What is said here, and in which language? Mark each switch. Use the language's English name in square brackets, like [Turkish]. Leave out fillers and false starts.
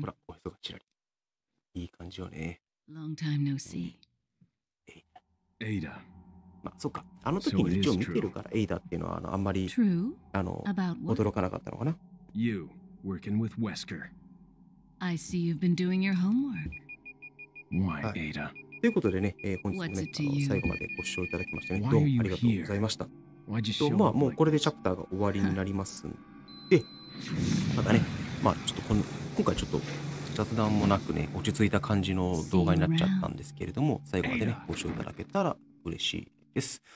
[Japanese] ほら、おへそがチラリ、いい感じよね。 [English] Long time no see. [Japanese] エイダ、まあ、そっか、あの時に一応見てるから、エイダっていうのは あんまり、驚かなかったのかな。 [English] You working with Wesker. I see you've been doing your homework. Why, Ada? [Japanese] ということでね、本日もね、最後までご視聴いただきましてね、どうもありがとうございました。と、まあ、もうこれでチャプターが終わりになりますんで、またね、まあ、ちょっと今回ちょっと雑談もなくね、落ち着いた感じの動画になっちゃったんですけれども、最後までね、ご視聴いただけたら嬉しいです。